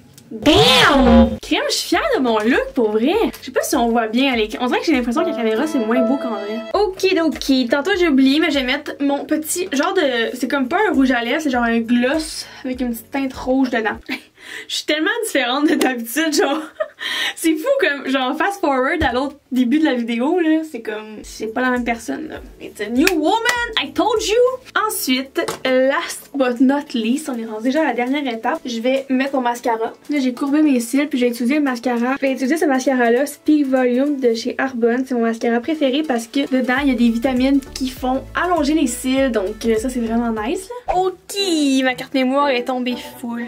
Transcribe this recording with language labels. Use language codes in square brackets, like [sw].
[fr] Bam! Crème, je suis fière de mon look pour vrai. Je sais pas si on voit bien à l'écran. On dirait que j'ai l'impression que la caméra c'est moins beau qu'en vrai. Ok, ok. Tantôt j'ai oublié, mais je vais mettre mon petit genre de. C'est comme pas un rouge à lèvres, c'est genre un gloss avec une petite teinte rouge dedans. Je suis tellement différente de d'habitude, genre. C'est fou comme. Genre, [en] fast forward [fr] à l'autre début de la vidéo, là. C'est comme. C'est pas la même personne, là. [en] It's a new woman, I told you! [fr] Ensuite, [en] last but not least, [fr] on est rendu déjà à la dernière étape. Je vais mettre mon mascara. Là, j'ai courbé mes cils, puis j'ai utilisé le mascara. Je vais utiliser ce mascara-là, Speak Volume de chez Arbonne. C'est mon mascara préféré parce que dedans, il y a des vitamines qui font allonger les cils. Donc, ça, c'est vraiment nice, là. Ok! Ma carte mémoire est tombée full.